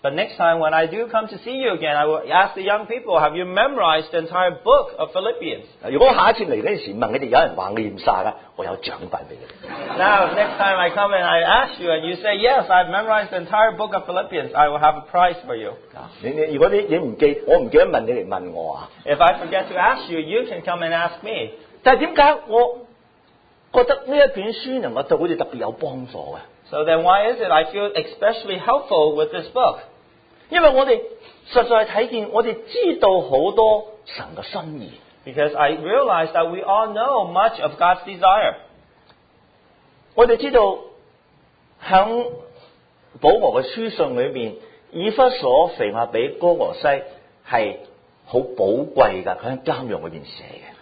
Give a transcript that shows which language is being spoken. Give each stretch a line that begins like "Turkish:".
English: But next time when I do come to see you again, I will ask the young people, have you memorized the entire book of Philippians?
Chinese: 如果下一次来的时候,问你们有人说念完,我有奖品给你们。
English: Now, next time I come and I ask you, and you say, yes, I've memorized the entire book of Philippians, I will have a prize for you.
Chinese: 如果你不记得,我不记得问你,你问我。If
English: I forget to ask you, you can come and ask me.
Chinese: 但为什么我觉得这一卷书能够对我们特别有帮助呢?
English: So then why is it I feel especially helpful with this book? Because Because I realize that we all know much of God's desire.
Chinese: 我哋知道喺保罗嘅书信里面，以弗所、腓立比、哥罗西系好宝贵噶，佢喺监狱里边写嘅。